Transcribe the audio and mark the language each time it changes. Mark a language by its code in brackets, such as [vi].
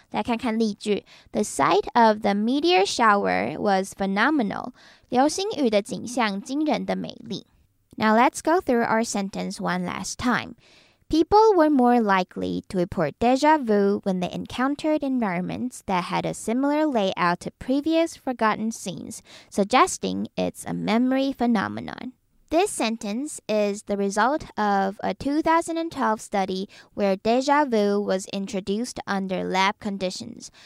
[zh] 来看看例句 [en] The sight of the meteor shower was phenomenal. [zh] 流星雨的景象惊人的美丽。 [en] Now let's go through our sentence one last time. People were more likely to report déjà vu when they encountered environments that had a similar layout to previous forgotten scenes, suggesting it's a memory phenomenon. This sentence is the result of a 2012 study where déjà vu was introduced under lab conditions.